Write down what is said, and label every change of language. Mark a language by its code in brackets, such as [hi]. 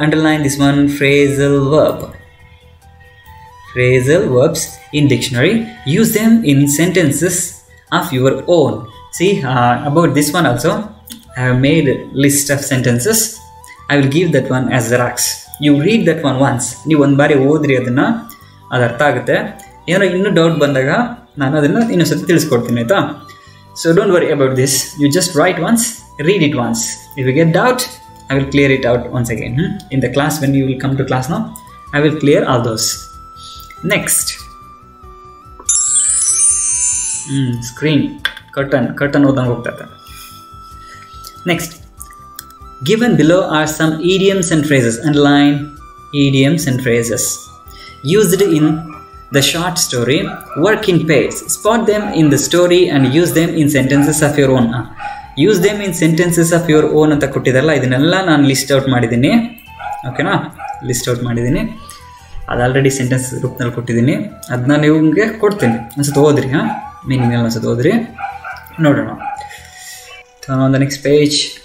[en] Underline this one, phrasal verb. Phrasal verbs in dictionary. Use them in sentences of your own. See, about this one also, I have made a list of sentences. I will give that one as Xerox. You read that one once. [kn] Ni one bari odri adana adartha agutte. ಏನೋ ಇನ್ನೂ doubt ಬಂದಾಗ ನಾನು ಅದನ್ನು ಇನ್ನೊಂದ್ಸತಿ ತಿಳಿಸ್ಕೊಡ್ತೀನಿ, ಆಯ್ತಾ? [en] So don't worry about this, you just write once, read it once. If you get doubt, I will clear it out once again in the class. When you will come to class now, I will clear all those. Next, screen curtain ಓದಂಗೆ ಹೋಗ್ತಾ. Next, given below are some idioms and phrases. Underline idioms and phrases used in the short story work in pairs. Spot them in the story and use them in sentences of your own. Use them in sentences of your own [kn] ಅಂತ ಕೊಟ್ಟಿದ್ದಾರಲ್ಲ, ಇದನ್ನೆಲ್ಲ ನಾನು list out ಮಾಡಿದ್ದೀನಿ. ಓಕೆನಾ, list out ಮಾಡಿದ್ದೀನಿ, ಅದು already sentence ರೂಪದಲ್ಲಿ ಕೊಟ್ಟಿದ್ದೀನಿ, ಅದನ್ನ ನಿಮಗೆ ಕೊಡ್ತೀನಿ. ಅನ್ಸುತ್ತೆ ಓದ್ರಿ, ಹಾಂ ಮೀನಿಂಗ್ ಎಲ್ಲ ಅನ್ಸುತ್ತೆ ಓದ್ರಿ, ನೋಡೋಣ. [en] Turn on the next page.